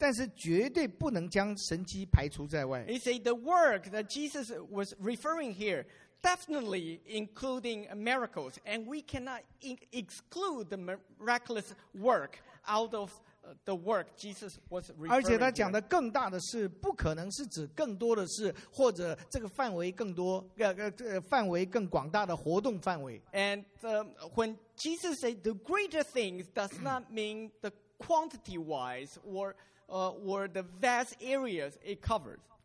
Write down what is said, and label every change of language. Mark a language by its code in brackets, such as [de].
[zh] 他说这里讲到耶稣的工作呢，不仅包括他的神迹，但是绝对不能将神迹排除在外。 [en] He said the work that Jesus was referring here definitely including miracles, and we cannot exclude the miraculous work out of. The work Jesus was referring to. [zh] 而且他讲的更大的事，不可能是指更多的事，或者这个范围更多，范围更广大的活动范围。 [en] And when Jesus said the greater things does not mean the quantity wise or the vast areas it covers.